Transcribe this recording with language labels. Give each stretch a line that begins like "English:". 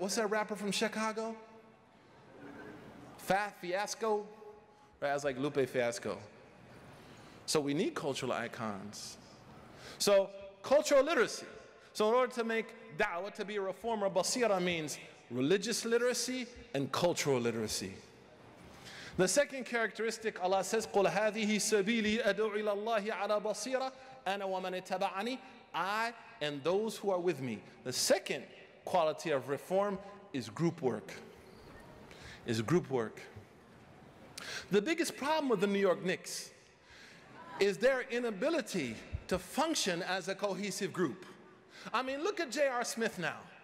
English: What's that rapper from Chicago? Fat Fiasco? Right, I was like, Lupe Fiasco. So we need cultural icons. So cultural literacy. So in order to make da'wah, to be a reformer, basira means religious literacy and cultural literacy. The second characteristic, Allah says,
Arabic: قُلْ هَذِهِ سَبِيلِي أَدُعُ إِلَى اللَّهِ عَلَى بَصِيرَةٍ أَنَا وَمَنِ اتَّبَعَنِي.
English: I and those who are with me. The second quality of reform is group work. Is group work. The biggest problem with the New York Knicks is their inability to function as a cohesive group. I mean, look at J.R. Smith now.